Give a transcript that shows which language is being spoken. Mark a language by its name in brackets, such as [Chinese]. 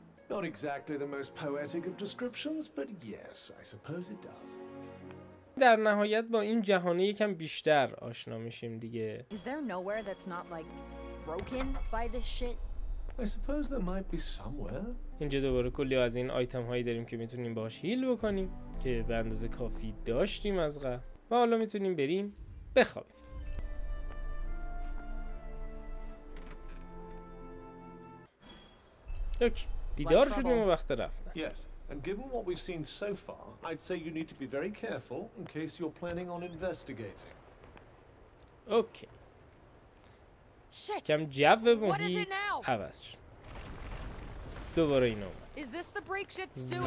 [English] Not exactly the most poetic of descriptions, but yes, I suppose it does. [Persian] در نهایت با این جهان یکم بیشتر آشنا میشیم دیگه. [English] Is there nowhere that's not like broken by this shit? I suppose there might be somewhere. [Persian] اینجا دوباره کلی از این آیتم هایی داریم که میتونیم باهاش هیل بکنیم که به اندازه کافی داشتیم از قبل و حالا میتونیم بریم بخوابیم. اوکی بیدار شدیم و وقت رفتن. [English] Yes, and given what we've seen so far, I'd say you need to be very careful in case you're planning on investigating. Okay. Shit. [Persian] کم جو بمونید. عوض شد. دوباره اینو. [English] Is this the break shit still